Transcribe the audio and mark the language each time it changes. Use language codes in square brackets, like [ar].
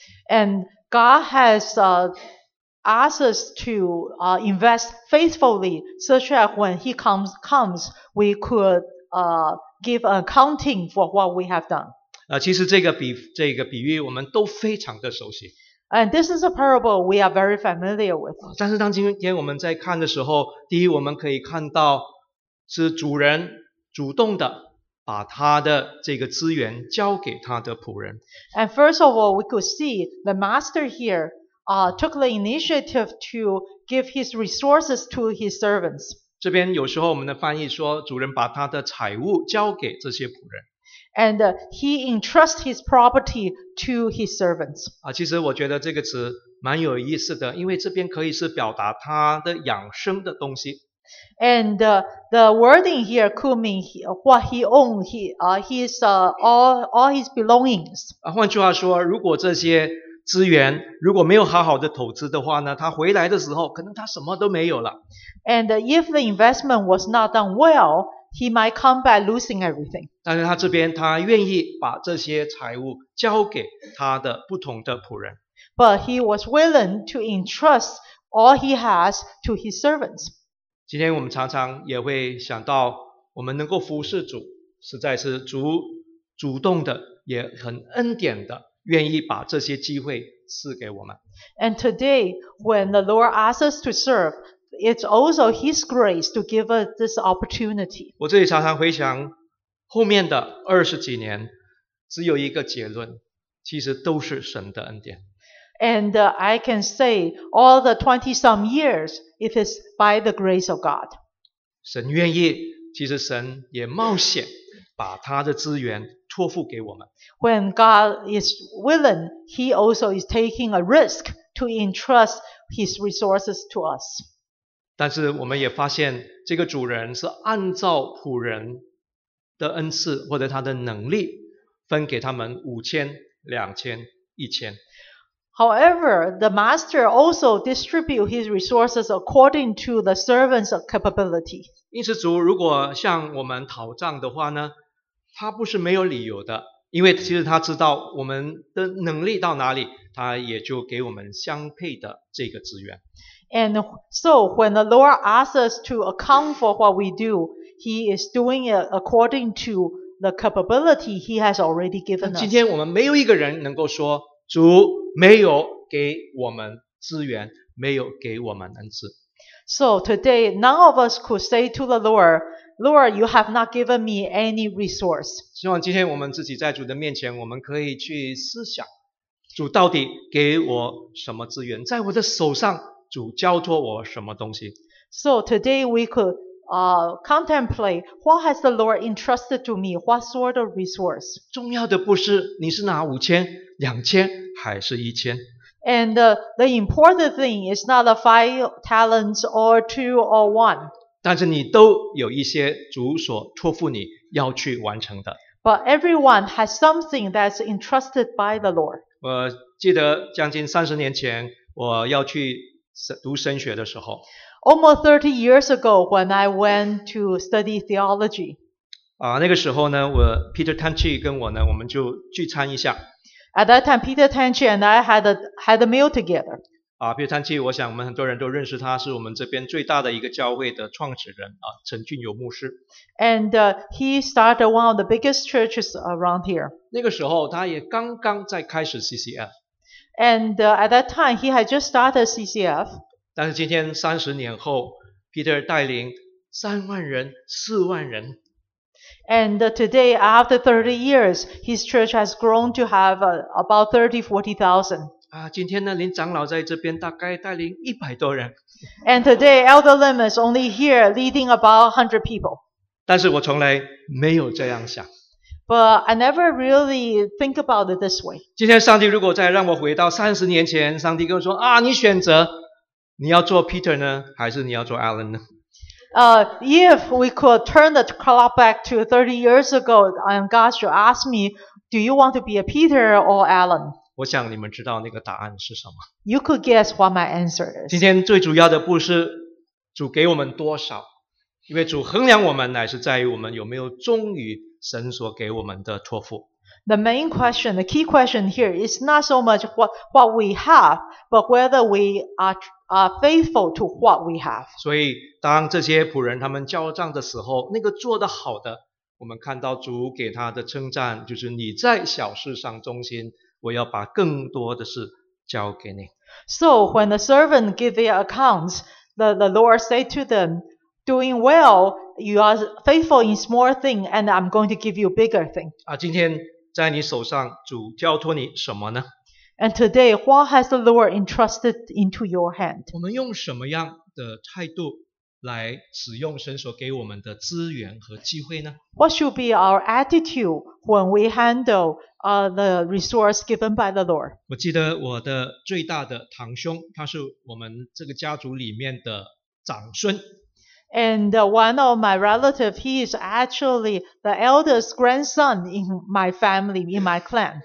[en] And God has asked us to invest faithfully, such that when He comes, we could give an accounting for what we have done. [zh] 其实这个比喻我们都非常的熟悉。 [en] And this is a parable we are very familiar with. [zh] 但是当今天我们在看的时候，第一我们可以看到是主人主动的把他的这个资源交给他的仆人。 [en] And first of all, we could see the master here took the initiative to give his resources to his servants. [zh] 这边有时候我们的翻译说主人把他的财物交给这些仆人。 [en] And he entrusts his property to his servants. [zh] 其实我觉得这个词蛮有意思的，因为这边可以是表达他的养生的东西。 [en] And the wording here could mean what he owns, all his belongings. [zh] 换句话说，如果这些资源如果没有好好的投资的话呢，他回来的时候可能他什么都没有了。 [en] And if the investment was not done well, he might come back losing everything. [zh] 但是他这边他愿意把这些财物交给他的不同的仆人。 [en] But he was willing to entrust all he has to his servants. [zh] 今天我们常常也会想到我们能够服侍主，实在是主主动的也很恩典的愿意把这些机会赐给我们。 [en] And today, when the Lord asks us to serve, it's also His grace to give us this opportunity. [zh] 我自己常常回想后面的二十几年，只有一个结论，其实都是神的恩典。 [en] And I can say all the 20-some years, it is by the grace of God. [zh] 神愿意，其实神也冒险把他的资源托付给我们。 [en] When God is willing, He also is taking a risk to entrust His resources to us. [zh] 但是我们也发现，这个主人是按照仆人的恩赐或者他的能力，分给他们5,000, 2,000, 1,000。 [en] However, the master also distributes his resources according to the servant's capability. [zh] 因此主如果向我们讨账的话呢，他不是没有理由的，因为其实他知道我们的能力到哪里，他也就给我们相配的这个资源。 [en] And so when the Lord asks us to account for what we do, He is doing it according to the capability He has already given us. [zh] 今天我们没有一个人能够说主没有给我们资源，没有给我们恩赐。 [en] So today, none of us could say to the Lord, Lord, you have not given me any resource. [zh] 希望今天我们自己在主的面前，我们可以去思想，主到底给我什么资源，在我的手上，主交托我什么东西。 [en] So today we could contemplate what has the Lord entrusted to me, what sort of resource. [zh] 重要的不是你是拿5,000, 2,000, 还是 1,000。 [en] And the important thing is not the 5 talents or 2 or 1. [zh] 但是你都有一些主所托付你要去完成的。 [en] But everyone has something that's entrusted by the Lord. [zh] 我记得将近30年前我要去读神学的时候。 [en] Almost 30 years ago when I went to study theology. [zh] 那个时候呢，我 Peter Tanchi 跟我呢，我们就聚餐一下。 [en] At that time, Peter Tanchi and I had a meal together. [zh] Peter Tanchi, 我想我们很多人都认识他，是我们这边最大的一个教会的创始人，陈俊友牧师。 [en] And he started one of the biggest churches around here. [zh] 那个时候他也刚刚在开始 CCF. [en] And at that time, he had just started CCF. [zh] 但是今天30年后， Peter 带领3万人、4万人。 [en] And today, after 30 years, his church has grown to have about 30,000-40,000. [zh] 今天呢，林长老在这边大概带领100多人。 [en] And today, Elder Lim is only here leading about 100 people. [zh] 但是我从来没有这样想。 [en] But I never really think about it this way. [zh] 今天上帝如果再让我回到30年前，上帝跟我说，你选择，你要做 Peter 呢，还是你要做 Alan 呢？ [en] If we could turn the clock back to 30 years ago, and God should ask me, do you want to be a Peter or Alan? [zh] 我想你们知道那个答案是什么。 [en] You could guess what my answer is. [zh] 今天最主要的不是主给我们多少，因为主衡量我们乃是在于我们有没有忠于神所给我们的托付。 [en] The main question, the key question here is not so much what we have, but whether we are faithful to what we have. [zh] 所以当这些仆人他们交账的时候，那个做得好的，我们看到主给他的称赞就是你在小事上忠心，我要把更多的事交给你。 [en] So when the servant give their accounts, the Lord say to them, doing well, you are faithful in small thing, and I'm going to give you bigger thing. [zh] 今天在你手上主交托你什么呢？ [en] And today, what has the Lord entrusted into your hand? [zh] 我们用什么样的态度来使用神所给我们的资源和机会呢？ [en] What should be our attitude when we handle the resource given by the Lord? [zh] 我记得我的最大的堂兄，他是我们这个家族里面的长孙。 [en] And one of my relatives, he is actually the eldest grandson in my family, in my clan.